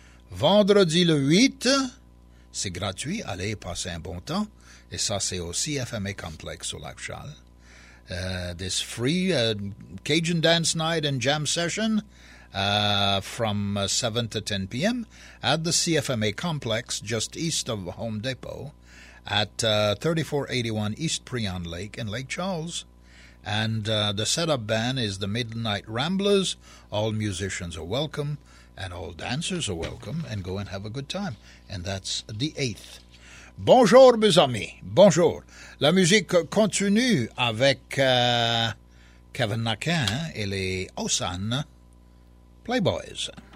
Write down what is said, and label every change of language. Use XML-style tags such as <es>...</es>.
<fr>Vendredi le 8, c'est gratuit, allez, passez un bon temps. Et ça, c'est aussi FMA Complex au Lac Charles.</fr> <en>This free Cajun Dance Night and Jam Session from 7 to 10 p.m. at the CFMA Complex, just east of Home Depot, at 3481 East Prion Lake in Lake Charles. And the setup band is the Midnight Ramblers. All musicians are welcome, and all dancers are welcome, and go and have a good time. And that's the 8th.</en> <fr>Bonjour, mes amis. Bonjour. La musique continue avec Kevin Nakin et les Osan Playboys.</fr>